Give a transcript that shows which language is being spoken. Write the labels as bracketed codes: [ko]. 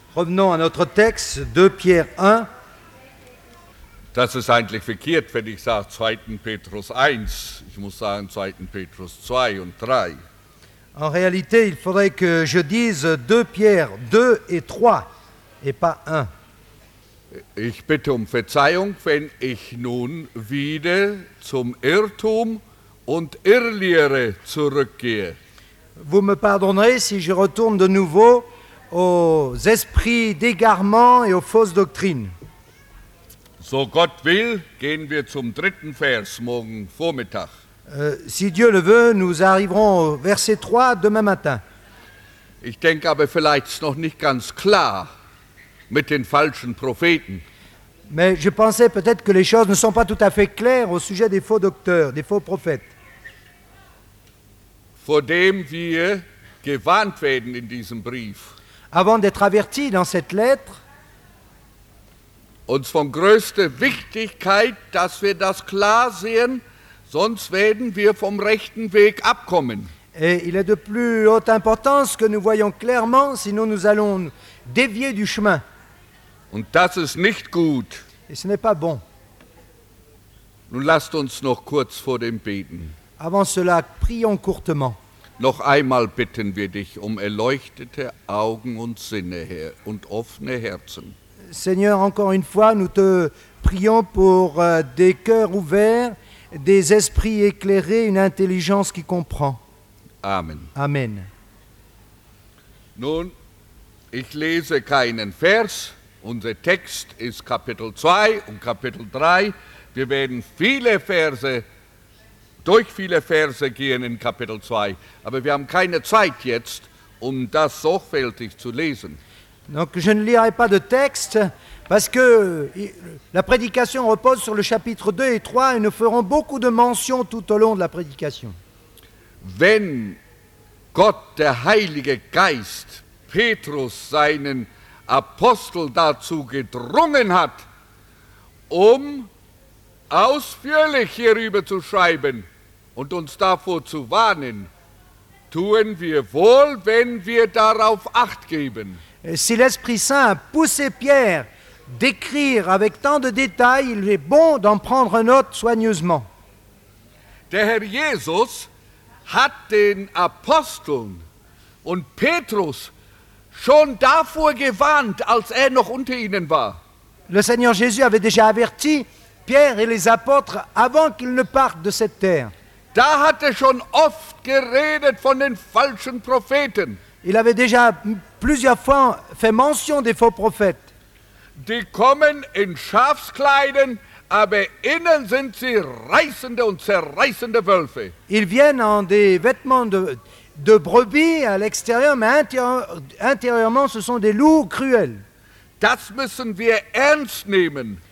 [fr] Revenons à notre texte, 2 Pierre 1. [de] Das ist eigentlich verkehrt, wenn ich sage 2. Petrus 1. Ich muss sagen 2. Petrus 2 und 3. [fr] En réalité, il faudrait que je dise 2 Pierre 2 et 3 et pas 1. [de] Ich bitte um Verzeihung, wenn ich nun wieder zum Irrtum und Irrlehre zurückgehe. [fr] Vous me pardonnerez si je retourne de nouveau aux esprits d'égarement et aux fausses doctrines. [de] So Gott will, gehen wir zum 3. Vers morgen Vormittag. [fr] Si Dieu le veut, nous arriverons au verset 3 demain matin. [de] Ich denke aber vielleicht noch nicht ganz klar mit den falschen Propheten. [fr] Mais je pensais peut-être que les choses ne sont pas tout à fait claires au sujet des faux docteurs, des faux prophètes. [de] Vor dem wir gewarnt werden in diesem Brief. [fr] Avant d'être averti dans cette lettre, [de] uns von größter Wichtigkeit, dass wir das klar sehen, sonst werden wir vom rechten Weg abkommen. [fr] Et il est de plus haute importance que nous voyons clairement, sinon nous allons dévier du chemin. [de] Und das ist nicht gut. [fr] Et ce n'est pas bon. [de] Nun lasst uns noch kurz vor dem beten. [fr] Avant cela, prions courtement. [de] Noch einmal bitten wir dich um erleuchtete Augen und Sinne, Herr, und offene Herzen. [fr] Seigneur, encore une fois, nous te prions pour des cœurs ouverts, des esprits éclairés, une intelligence qui comprend. [de] Amen. [fr] Amen. [de] Nun, ich lese keinen Vers. Unser Text ist Kapitel 2 und Kapitel 3. Wir werden viele Verse durch viele Verse gehen in Kapitel 2, aber wir haben keine Zeit jetzt, um das sorgfältig zu lesen. [fr] Donc je ne lirai pas de texte parce que la prédication repose sur le chapitre 2 et 3 et nous ferons beaucoup de mentions tout au long de la prédication. [de] Wenn Gott der Heilige Geist Petrus seinen Apostel dazu gedrungen hat, um ausführlich hierüber zu schreiben und uns davor zu warnen, tun wir wohl, wenn wir darauf Acht geben. [fr] Si l'Esprit Saint a poussé Pierre d'écrire avec tant de détails, il est bon d'en prendre note soigneusement. [de] Der Herr Jesus hat den Aposteln und Petrus schon davor gewarnt, als er noch unter ihnen war. [fr] Le Seigneur Jésus avait déjà averti Pierre et les apôtres avant qu'ils ne partent de cette terre. [de] Da hat er schon oft geredet von den falschen Propheten. [fr] Il avait déjà plusieurs fois fait mention des faux prophètes. [de] Die kommen in Schafskleiden, aber innen sind sie reißende und zerreißende Wölfe. [fr] Ils viennent en des vêtements de brebis à l'extérieur, mais intérieurement ce sont des loups cruels. [de] Das müssen wir ernst nehmen.